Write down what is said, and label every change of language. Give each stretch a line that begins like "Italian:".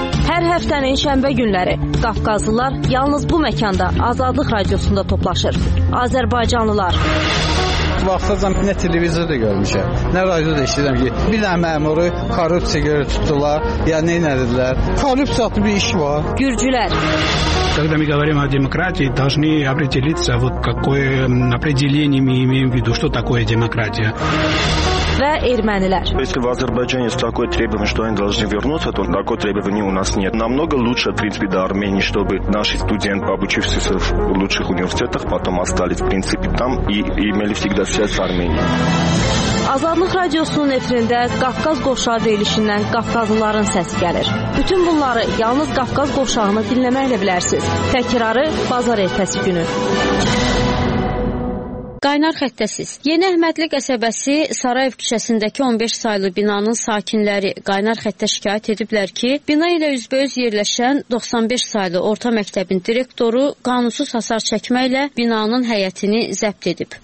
Azerbaijani: Hər həftənin şənbə günləri Qafqazlılar yalnız bu məkanda Azadlıq Radiosunda toplaşır. Azərbaycanlılar. Vaxtacam nə televizorda görmüşəm, nə radioda işləyirəm ki, bir dənə məmuru korrupsiya görə tutdular, ya nə edirlər? Korrupsiya adlı bir iş var. Gürcülər.
Russian: Когда мы говорим о демократии, должны определиться, вот какое определение мы имеем в виду, что такое демократия.
Azerbaijani: Və ermənilər.
Russian: Если в Азербайджане есть такое требование, что они должны вернуться, то такое требование у нас нет. Намного лучше, в принципе, до Армении, чтобы наши студенты, обучившиеся в лучших университетах, потом остались, в принципе, там и имели всегда связь с Арменией.
Azerbaijani: Azadlıq Radiosunun efirində Qafqaz Qovşağı deyilişindən Qafqazlıların səsi gəlir. Bütün bunları yalnız Qafqaz Qovşağını dinləməklə bilərsiniz. Təkrarı bazar ertəsi günü. Qaynar xəttəsiz. Yeni Əhmədli qəsəbəsi Sarayev küçəsindəki 15 saylı binanın sakinləri qaynar xəttə şikayət ediblər ki, bina ilə üzbəüz yerləşən 95 saylı orta məktəbin direktoru qanunsuz hasar çəkməklə binanın həyətini zəbt edib.